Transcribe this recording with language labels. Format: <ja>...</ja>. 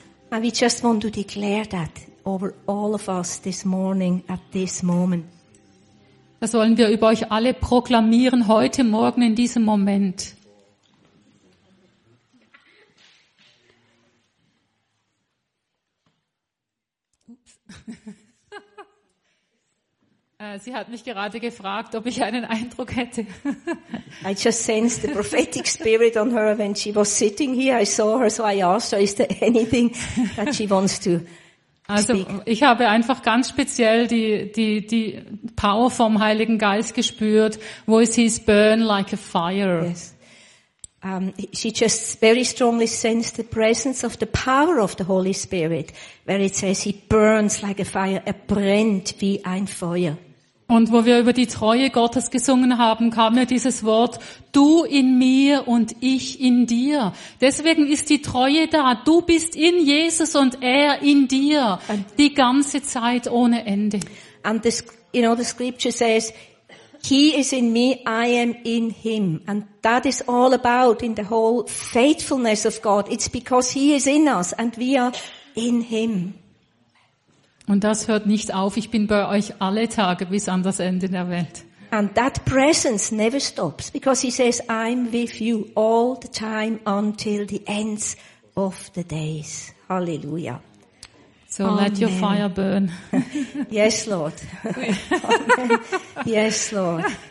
<en>And we just want to declare that over all of us this morning at this moment.</en> <de>Das wollen wir über euch alle proklamieren heute Morgen in diesem Moment. Sie hat mich gerade gefragt, ob ich einen Eindruck hätte.</de> <en>I just sensed the prophetic spirit on her when she was sitting here. I saw her, so I asked her, is there anything that she wants to speak?</en> <de>Also, ich habe einfach ganz speziell die Power vom Heiligen Geist gespürt.</de> <en>Voices burn like a fire. Yes. She just very strongly sensed the presence of the power of the Holy Spirit, where it says he burns like a fire,</en> <de>er brennt wie ein Feuer. Und wo wir über die Treue Gottes gesungen haben, kam mir dieses Wort, du in mir und ich in dir. Deswegen ist die Treue da. Du bist in Jesus und er in dir. Die ganze Zeit ohne Ende.</de> <en>And this, you know, the scripture says, he is in me, I am in him. And that is all about in the whole faithfulness of God. It's because he is in us and we are in him.</en> <de>Und das hört nicht auf. Ich bin bei euch alle Tage bis an das Ende der Welt.</de> <en>And that presence never stops because he says, I'm with you all the time until the ends of the days. Hallelujah. So Amen. Let your fire burn. Yes, Lord. Yes, Lord.</en>